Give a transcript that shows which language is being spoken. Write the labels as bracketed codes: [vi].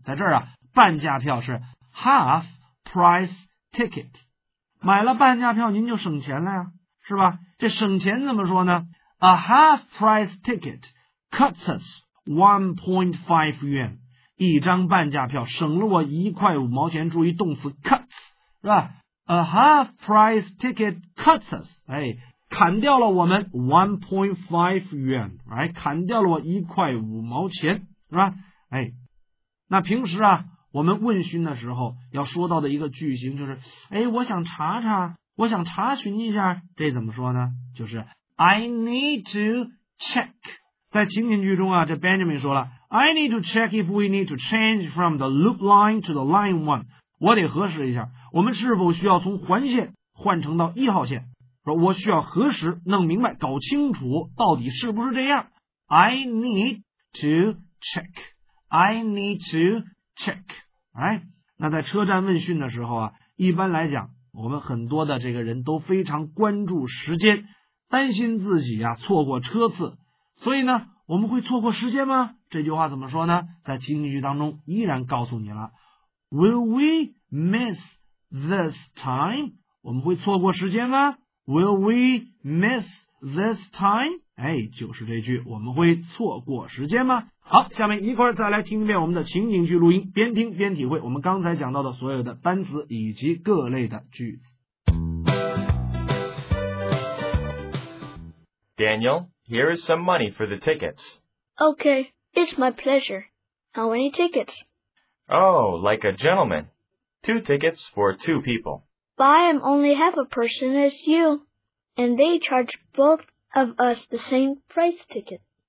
[zh] 在这儿啊，半价票是 [en] half price ticket， [zh] 买了半价票您就省钱了呀，是吧？这省钱怎么说呢 ？ [en] A half price ticket cuts us 1.5 yuan， [zh] 一张半价票省了我1.5块。注意动词 [en] cuts 是吧 ？A half price ticket cuts us， 哎。 [zh] 砍掉了我们 1.5 yuan， 哎，砍掉了我1.5块，是吧？哎，那平时啊，我们问询的时候要说到的一个句型就是，哎，我想查查，我想查询一下，这怎么说呢？ [en] 就是 I need to check。 [zh] 在情景剧中啊，这 Benjamin 说了 [en] ，I need to check if we need to change from the loop line to the line one。 [zh] 我得核实一下，我们是否需要从环线换乘到一号线。我需要核实弄明白搞清楚到底是不是这样 [en] I need to check I need to check、right? [zh] 那在车站问讯的时候啊，一般来讲我们很多的这个人都非常关注时间担心自己啊错过车次所以呢我们会错过时间吗这句话怎么说呢在情景剧当中依然告诉你了 [en] Will we miss this time [zh] 我们会错过时间吗Will we miss this time? 哎，就是这句，我们会错过时间吗？好，下面一块儿再来听一遍我们的情景剧录音，边听边体会我们刚才讲到的所有的单词以及各类的句子。 [en] Daniel, here is some money for the tickets. Okay, it's my pleasure. How many tickets? Oh, like a gentleman. Two tickets for two people. But I am only half a person as you, and they charge both of us the same price ticket.